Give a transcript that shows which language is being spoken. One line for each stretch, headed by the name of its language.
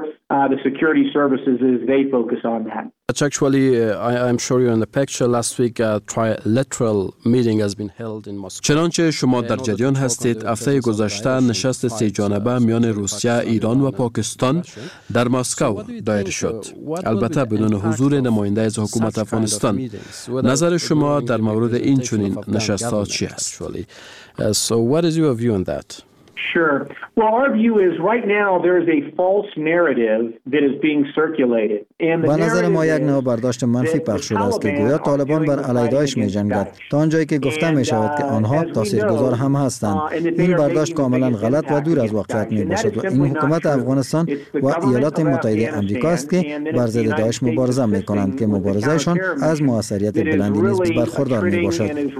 English: The security services as they focus on that. Actually, I'm sure you're in the picture. Last week, a trilateral meeting has been held in Moscow.
Persian: چنانچه شما در جریان هستید، هفته گذشته نشست سه جانبه میان روسیه، ایران و پاکستان در مسکو دایر شد. البته بدون حضور نماینده از حکومت افغانستان. نظر شما در مورد این چنین نشست‌ها چی است؟
English: So what is your view on that? Sure. Well, our view is right now there is a false narrative that is being circulated.
Persian: با نظر ما یک نوع برداشت منفی پخش شده است که گویا طالبان بر علی داعش می جنگد. تا آنجایی که گفته می شود که آنها تاثیرگذار هم هستند. این برداشت کاملا غلط و دور از واقعیت می باشد و این حکومت افغانستان و ایالات متحده آمریکا است که بر ضد داعش مبارزه می کنند که مبارزهشان از موثریت بلندی نسبت به برخوردار می باشد.